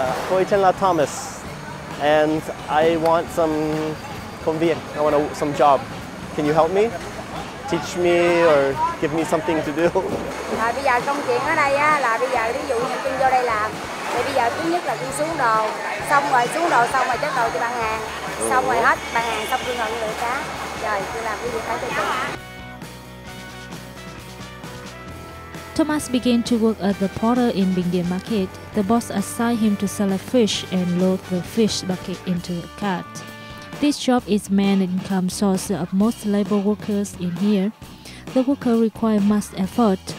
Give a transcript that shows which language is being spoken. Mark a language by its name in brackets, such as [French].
[Vietnamese] Tôi tên là Thomas, [English] and I want some [Vietnamese] công việc. [English] I want some job. Can you help me? Teach me or give me something to do. [Vietnamese] À, bây giờ công chuyện ở đây á, là bây giờ ví dụ như tôi vô đây làm thì bây giờ thứ nhất là tôi xuống đồ, xong rồi chất đồ cho bạn hàng, xong rồi hết bạn hàng xong tôi ngồi lựa cá, rồi tôi làm cái gì phải tôi. [English] Thomas began to work at the porter in BÌNH ĐIỀN Market. The boss assigned him to select fish and load the fish bucket into a cart. This job is main income source of most labor workers in here. The worker require much effort.